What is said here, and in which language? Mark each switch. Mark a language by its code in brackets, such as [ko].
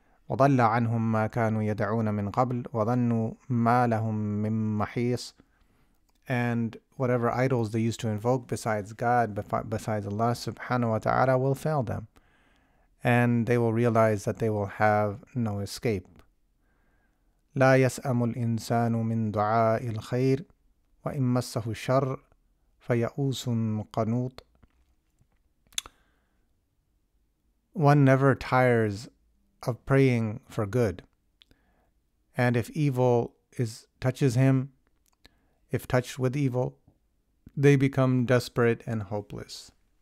[ar] وَضَلَّ عَنْهُمْ مَا كَانُوا يَدْعُونَ مِنْ قَبْلُ وَظَنُّوا مَا لَهُمْ مِنْ مَحِيصٍ. [en] And whatever idols they used to invoke besides God, besides Allah subhanahu wa ta'ala, will fail them. And they will realize that they will have no escape. [ar] لا يسأم الإنسان من دعاء الخير وإن مسه الشر فيئوس قنوط. [en] One never tires of praying for good. And if evil touches him, if touched with evil, they become desperate and hopeless.